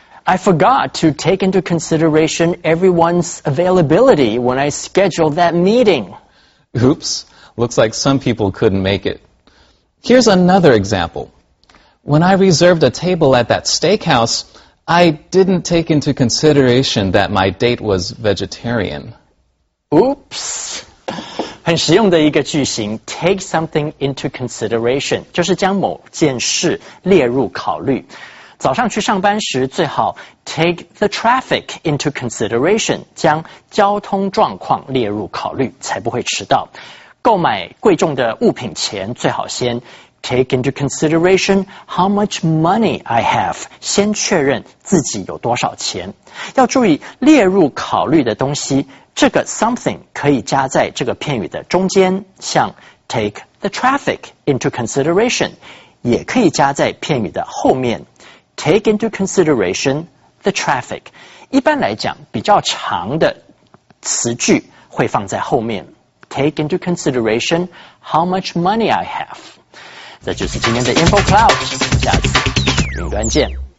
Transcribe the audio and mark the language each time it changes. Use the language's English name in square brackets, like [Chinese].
[English] I forgot to take into consideration everyone's availability when I scheduled that meeting. Oops. Looks like some people couldn't make it. Here's another example. When I reserved a table at that steakhouse,I didn't take into consideration that my date was vegetarian. Oops! [Chinese] 很实用的一个句型 [English] take something into consideration, [Chinese] 就是将某件事列入考虑。早上去上班时最好 [English] take the traffic into consideration, [Chinese] 将交通状况列入考虑才不会迟到。购买贵重的物品前最好先 [English] Take into consideration how much money I have. [Chinese] 先确认自己有多少钱。要注意列入考虑的东西，这个 something 可以加在这个片语的中间，像 [English] take the traffic into consideration [Chinese] 也可以加在片语的后面。 [English] Take into consideration the traffic. [Chinese] 一般来讲，比较长的词句会放在后面。 [English] Take into consideration how much money I have. [Chinese] 这就是今天的 Info Cloud, 下次云端见。